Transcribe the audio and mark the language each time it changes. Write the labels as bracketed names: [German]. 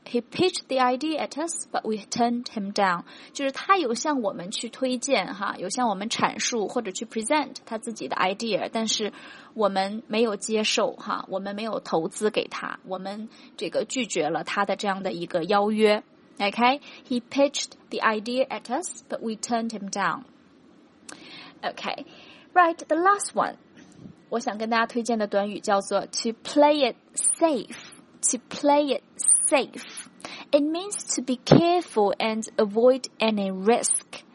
[English] He pitched the idea at us, but we turned him down. [Chinese] 就是他有向我们去推荐哈，有向我们阐述或者去 present 他自己的 idea， 但是我们没有接受哈，我们没有投资给他，我们这个拒绝了他的这样的一个邀约。 [English] OK? He pitched the idea at us, but we turned him down. OK. Right, the last one. [Chinese] 我想跟大家推荐的短语叫做 [English] to play it safe. To play it safe. It means to be careful and avoid any risk.